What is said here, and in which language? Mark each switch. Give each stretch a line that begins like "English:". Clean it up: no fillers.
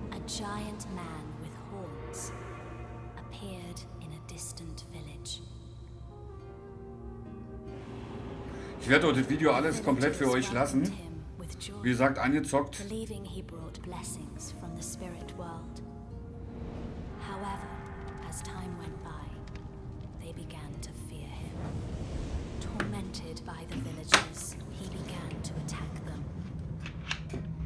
English: A giant man with horns appeared in a distant village.
German: Ich werde dort das Video alles komplett für euch lassen. Wie gesagt, angezockt.
English: Believing he brought blessings from the spirit world. However, as time went by, they began to fear him. Tormented by the villagers, he began to attack them.